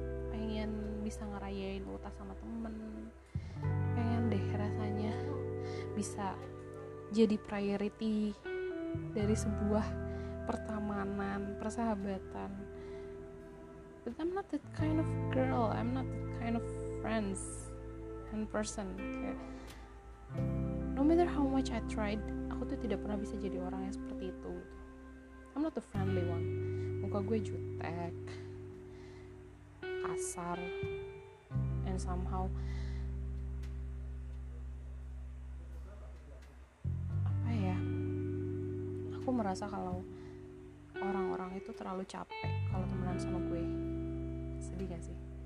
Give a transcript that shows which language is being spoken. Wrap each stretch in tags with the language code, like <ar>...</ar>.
<id>Pengen bisa ngerayain ultah sama temen, pengen deh rasanya bisa jadi priority dari sebuah pertemanan, persahabatan.</id> <en>But I'm not that kind of girl, I'm not that kind of friends and person. No matter how much I tried,</en> <id>aku tuh tidak pernah bisa jadi orang yang seperti itu.</id> <en>I'm not a friendly one.</en> <id>Muka gue jutek, kasar,</id> <en>and somehow</en> <id>aku merasa kalau orang-orang itu terlalu capek kalau temenan sama gue. Sedih gak sih?</id>